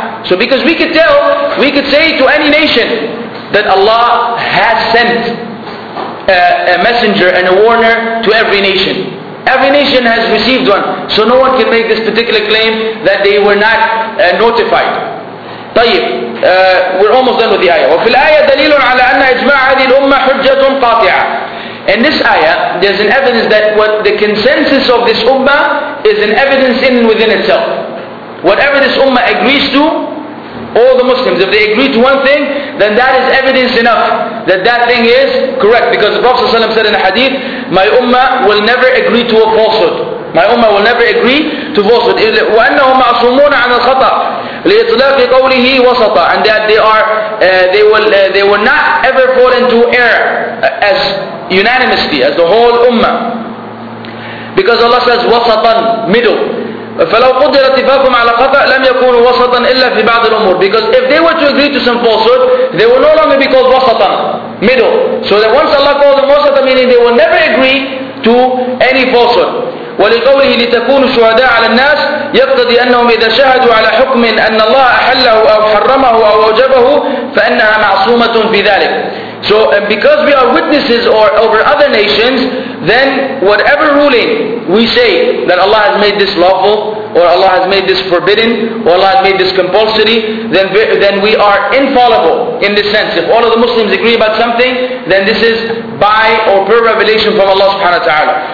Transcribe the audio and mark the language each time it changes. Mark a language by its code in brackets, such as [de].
[en] So because we could say to any nation that Allah has sent a messenger and a warner to every nation. Every nation has received one. So no one can make this particular claim that they were not notified. طيب, we're almost done with the ayah. [ar] وفي الآية دليل على أن إجماع هذه الأمة حجة قاطعة. [en] In this ayah, there's an evidence that what the consensus of this ummah is an evidence in within itself. Whatever this ummah agrees to, all the Muslims, if they agree to one thing, then that is evidence enough that that thing is correct. Because the Prophet ﷺ said in a hadith, my ummah will never agree to a falsehood. My ummah will never agree to falsehood. [ar] وَأَنَّهُمْ مَعْصُومُونَ عَنَ الْخَطَأِ لِإِطْلَاقِ قَوْلِهِ وَسَطًا. [en] And that they will not ever fall into error as unanimously as the whole ummah. Because Allah says وَسَطًا, middle. [ar] فَلَوْ قُدِّرَ اتِفَاقُمْ عَلَى خَطَأٍ لَمْ يَكُونُوا وَسَطًا إِلَّا فِي بَعْضِ الْأُمُورِ. [en] Because if they were to agree to some falsehood, they will no longer be called وَسَطًا, middle. So that once Allah calls them وَسَطًا, meaning they will never agree to any falsehood. [ar] ولقوله لتكون شهداء على الناس يقتضي أنهم إذا شهدوا على حكم أن الله أحله أو حرمه أو أوجبه فإنها معصومة في ذلك. [en] So and because we are witnesses or over other nations, then whatever ruling we say that Allah has made this lawful, or Allah has made this forbidden, or Allah has made this compulsory, then we are infallible in this sense. If all of the Muslims agree about something, then this is by or per revelation from Allah subhanahu wa ta'ala.